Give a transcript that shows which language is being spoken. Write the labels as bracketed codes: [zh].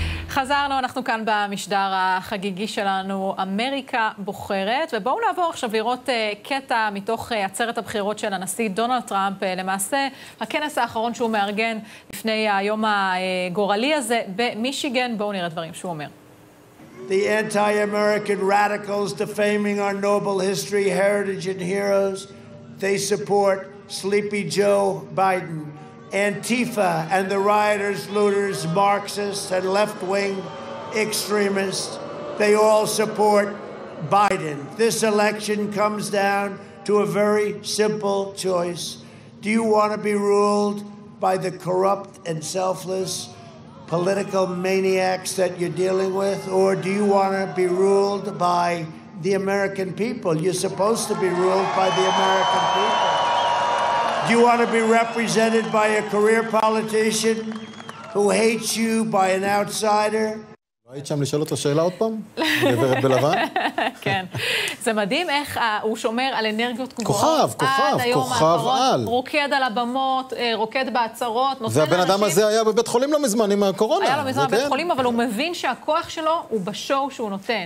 [he] חזרנו, אנחנו כאן במשדר החגיגי שלנו, אמריקה בוחרת, ובואו נעבור עכשיו לראות קטע מתוך עצרת הבחירות של הנשיא דונלד טראמפ, למעשה הכנס האחרון שהוא מארגן לפני היום הגורלי הזה במישיגן, בואו נראה דברים שהוא אומר. [en] The anti-American radicals defaming our noble history, heritage and heroes, they support sleepy Joe Biden. Antifa and the rioters, looters, Marxists and left-wing extremists, they all support Biden. This election comes down to a very simple choice. Do you want to be ruled by the corrupt and selfless political maniacs that you're dealing with, or do you want to be ruled by the American people? You're supposed to be ruled by the American people. Do you want to be represented by a career politician who hates you by an outsider? [he] היית שם לשאול אותו שאלה עוד פעם? גברת בלבן? כן. זה מדהים איך הוא שומר על אנרגיות גבוהות. כוכב על. רוקד על הבמות, רוקד בעצרות. והבן אדם הזה היה בבית חולים לא מזמן עם הקורונה. היה לו מזמן בבית חולים, אבל הוא מבין שהכוח שלו הוא בשואו שהוא נותן.